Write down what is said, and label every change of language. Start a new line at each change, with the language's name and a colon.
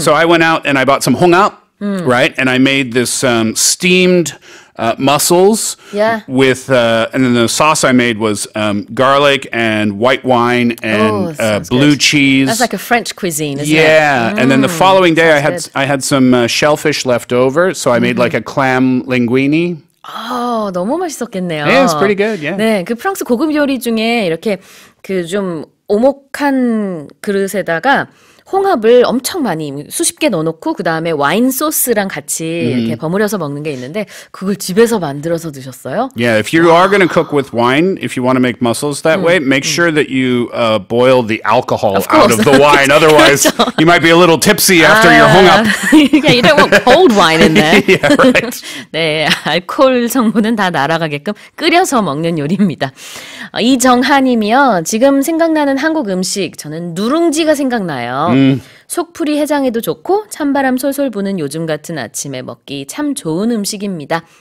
English: So I went out and I bought some hongap, right? And I made this steamed mussels with and then the sauce I made was garlic and white wine and blue cheese. That's like a French cuisine, isn't it? Yeah. And then the following day I had some shellfish left over, so I made like a clam linguine.
Korean: Oh, 너무 맛있었겠네요.
English: Yeah, it's pretty good, yeah.
Korean: 네, 그 프랑스 고급 요리 중에 이렇게 그 좀 오목한 그릇에다가 홍합을 엄청 많이 수십 개 넣어놓고 그 다음에 와인 소스랑 같이 이렇게 버무려서 먹는 게 있는데 그걸 집에서 만들어서 드셨어요?
English: Yeah, if you are going to cook with wine, if you want to make mussels that way, make sure that you boil the alcohol out of the wine. Otherwise, you might be a little tipsy after your 홍합. Yeah, you don't want cold wine in there. Yeah, right.
Korean: 네, 알코올 성분은 다 날아가게끔 끓여서 먹는 요리입니다. 이정하님이요. 지금 생각나는 한국 음식 저는 누룽지가 생각나요. 속풀이 해장에도 좋고 찬바람 솔솔 부는 요즘 같은 아침에 먹기 참 좋은 음식입니다.